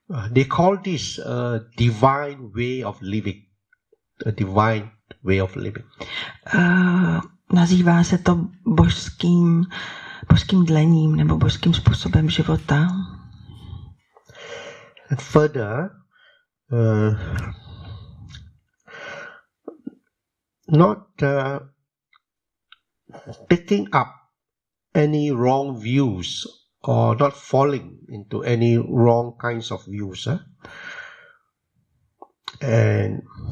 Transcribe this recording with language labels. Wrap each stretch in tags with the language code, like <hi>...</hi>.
<en>They call this a divine way of living, a divine way of living.</en> <cs>Nazývá se to božským dlením nebo božským způsobem života.</cs> <en>And further, not picking up any wrong views or not falling into any wrong kinds of views, and</en>